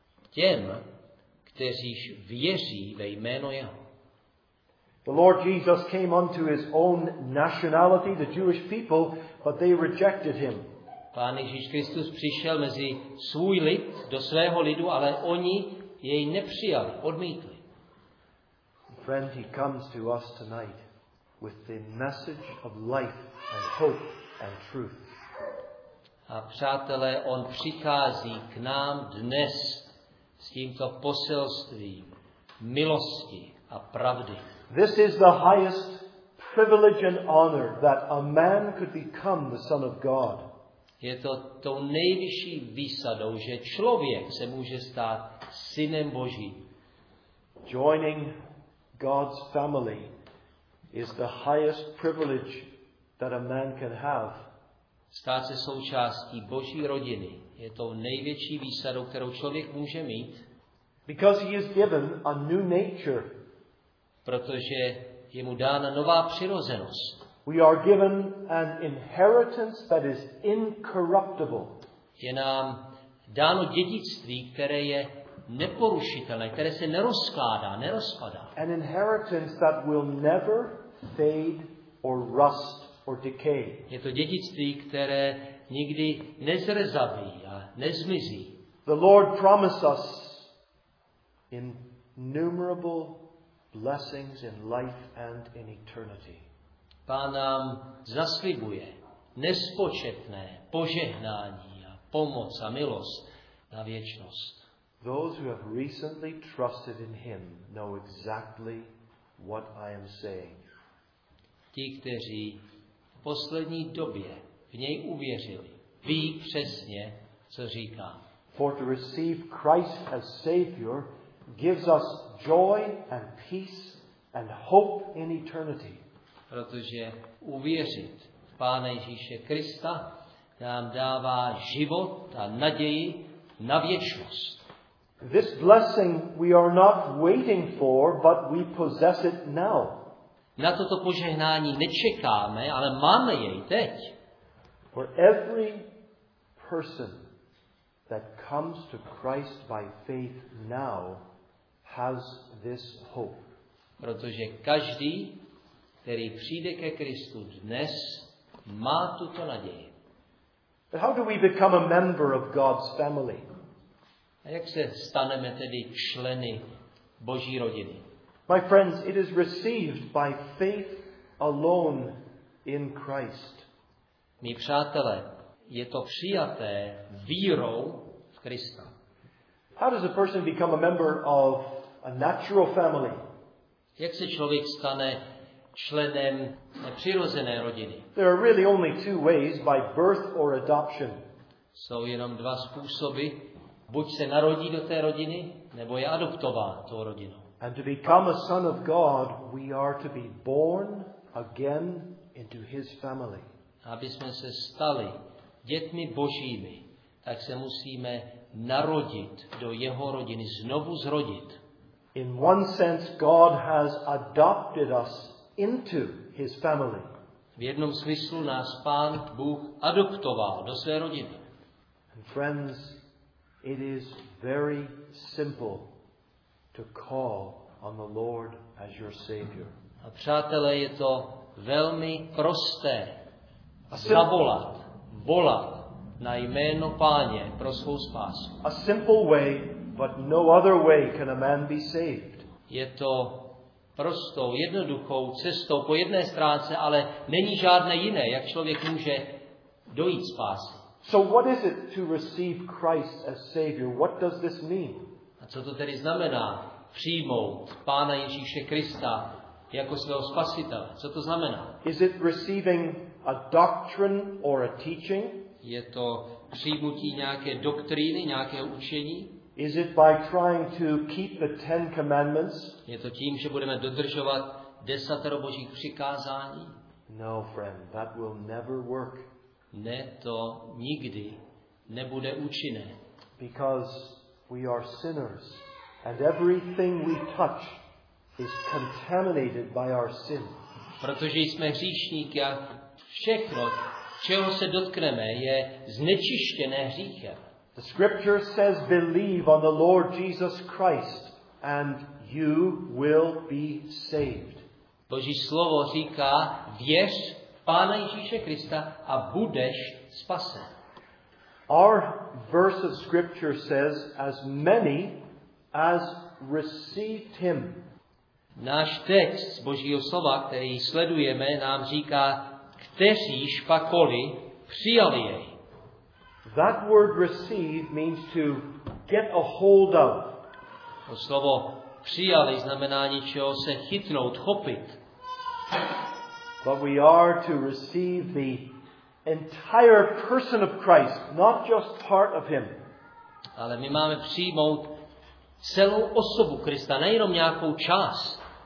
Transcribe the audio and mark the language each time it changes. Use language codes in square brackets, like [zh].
[cs] Těm, kteří věří ve jméno jeho. [en] The Lord Jesus came unto his own nationality, the Jewish people, but they rejected him. [cs] Pán Ježíš Kristus přišel mezi svůj lid, do svého lidu, ale oni jej nepřijali, odmítli. [en] Friend, he comes to us tonight. with the message of life and hope and truth. [cs] A přátelé, on přichází k nám dnes s tímto poselstvím milosti a pravdy. [en] This is the highest privilege and honor that a man could become the Son of God. [cs] Je to tou nejvyšší výsadou, že člověk se může stát synem Božím. [en] Joining God's family is the highest privilege that a man can have. [cs] Stát se součástí Boží rodiny je tou největší výsadou, kterou člověk může mít. [en] Because he is given a new nature. [cs] Protože je mu dána nová přirozenost. [en] We are given an inheritance that is incorruptible. [cs] Je nám dáno dědictví, které je neporušitelné, které se nerozkládá, nerozpadá. [en] An inheritance that will never fade or rust or decay. [cs] Je to dědictví, které nikdy nezrezaví a nezmizí. [en] The Lord promised us innumerable blessings in life and in eternity. [cs] Pán nám zaslibuje nespočetné požehnání a pomoc a milost na věčnost. [en] Those who have recently trusted in him know exactly what I am saying. [cs] Ti, kteří v poslední době v něj uvěřili, ví přesně, co říkám. [en] For to receive Christ as Savior gives us joy and peace and hope in eternity. [cs] Protože uvěřit v Pána Ježíše Krista nám dává život a naději na věčnost. [en] This blessing we are not waiting for, but we possess it now. [cs] Na toto požehnání nečekáme, ale máme jej teď. [en] For every person that comes to Christ by faith now has this hope. [cs] Protože každý, který přijde ke Kristu dnes, má tuto naději. [en] But how do we become a member of God's family? [cs] A jak se staneme tedy členy Boží rodiny? [en] My friends, it is received by faith alone in Christ. [cs] Mí přátelé, je to přijaté vírou v Krista. [en] How does a person become a member of a natural family? [cs] Jak se člověk stane členem přirozené rodiny? [en] There are really only two ways, by birth or adoption. [cs] Jsou jenom dva způsoby. Buď se narodí do té rodiny, nebo je adoptován tou rodinou. [en] And to become a son of God, we are to be born again into his family. [cs] Aby jsme se stali dětmi Božími, tak se musíme narodit do jeho rodiny, znovu zrodit. [en] In one sense, God has adopted us into his family. [cs] V jednom smyslu nás Pán Bůh adoptoval do své rodiny. [en] And friends, it is very simple to call on the Lord as your Savior. [cs] A přátelé, je to velmi prosté zavolat, volat na jméno Páně pro svou spásu. [en] A simple way, but no other way can a man be saved. [cs] Je to prostou, jednoduchou cestou po jedné stránce, ale není žádné jiné, jak člověk může dojít spásy. [en] So what is it to receive Christ as Savior? What does this mean? [cs] A co to tedy znamená přijmout Pána Ježíše Krista jako svého spasitele? Co to znamená? [en] Is it receiving a doctrine or a teaching? [cs] Je to přijmutí nějaké doktríny, nějakého učení? [en] Is it by trying to keep the Ten Commandments? [cs] Je to tím, že budeme dodržovat desatero Božích přikázání? [en] No, friend, that will never work. [cs] Ne, to nikdy nebude účinné. [en] Because we are sinners and everything we touch is contaminated by our sin. [cs] Protože jsme hříšníky a všechno, čeho se dotkneme, je znečištěné hříchem. [en] The scripture says believe on the Lord Jesus Christ and you will be saved. [cs] Boží slovo říká věř Pána Ježíše Krista a budeš spasen. [en] Our verse of scripture says as many as received him. [cs] Náš text z Božího slova, který sledujeme, nám říká, kteří špakoli přijali jej. [en] That word receive means to get a hold of. [cs] To slovo přijali znamená něčeho se chytnout, chopit. [en] But we are to receive the entire person of Christ, not just part of him. [cs] Ale my máme přijmout celou osobu Krista, nejenom nějakou část.